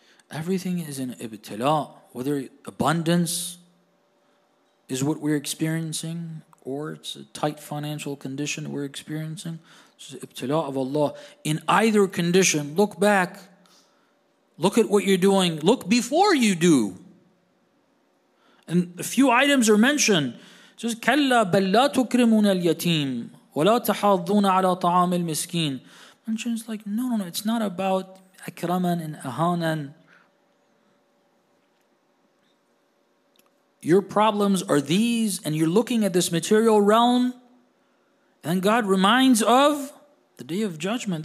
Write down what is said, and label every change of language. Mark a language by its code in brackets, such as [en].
[en] Everything is an ibtila. Whether abundance is what we're experiencing, or it's a tight financial condition we're experiencing, it's an ibtila of Allah. In either condition, look back. Look at what you're doing. Look before you do. And a few items are mentioned. It says, [ar] كَلَّا بَلَّا تُكْرِمُونَ الْيَتِيمِ وَلَا تَحَظُّونَ عَلَى طَعَامِ الْمِسْكِينِ. [en] And she's like, no, it's not about akraman and ahanan. Your problems are these, and you're looking at this material realm, and God reminds of the day of judgment.